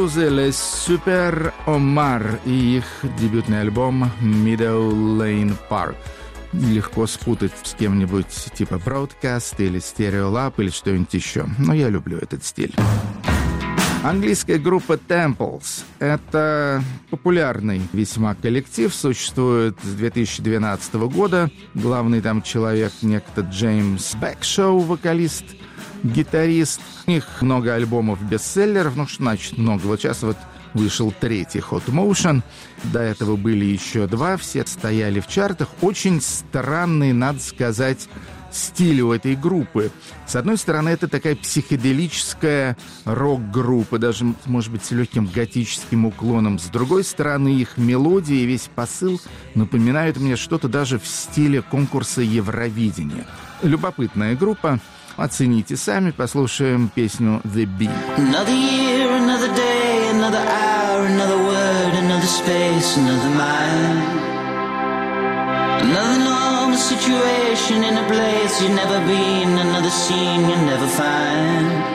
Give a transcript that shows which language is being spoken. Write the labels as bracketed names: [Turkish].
[Russian] «Les Super Omar» и их дебютный альбом «Middle Lane Park». Легко спутать с кем-нибудь типа «Broadcast» или «Stereolab» или что-нибудь еще. Но я люблю этот стиль. Английская группа «Temples» — это популярный весьма коллектив. Существует с 2012 года. Главный там человек — некто Джеймс Бэкшоу, вокалист, гитарист. У них много альбомов бестселлеров, ну что значит много? Вот сейчас вот вышел третий «Hot Motion», до этого были еще два, все стояли в чартах. Очень странный, надо сказать, стиль у этой группы. С одной стороны, это такая психоделическая рок-группа, даже, может быть, с легким готическим уклоном. С другой стороны, их мелодии и весь посыл напоминают мне что-то даже в стиле конкурса Евровидения. Любопытная группа. Оцените сами, послушаем песню «The Bee». [English] Another year, another day, another hour, another word, another space, another mile. Another normal situation in a place you've never been, another scene you'll never find.